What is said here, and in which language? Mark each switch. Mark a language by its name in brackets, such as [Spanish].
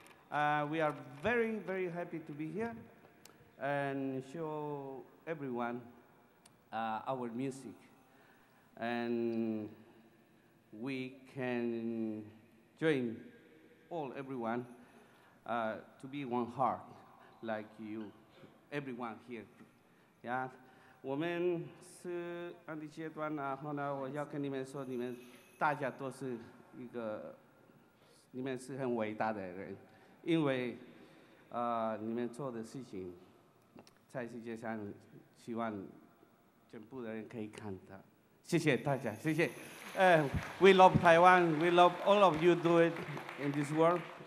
[English] We are very, very happy to be here and show everyone our music. And we can join all everyone to be one heart like you, everyone here. [Chinese] Yeah, 我们是安迪阶段，然后呢，我要跟你们说，你们大家都是一个，你们是很伟大的人，因为，你们做的事情，在世界上，希望全部的人可以看到。谢谢大家，谢谢。 [English] We love Taiwan, we love all of you do it in this world.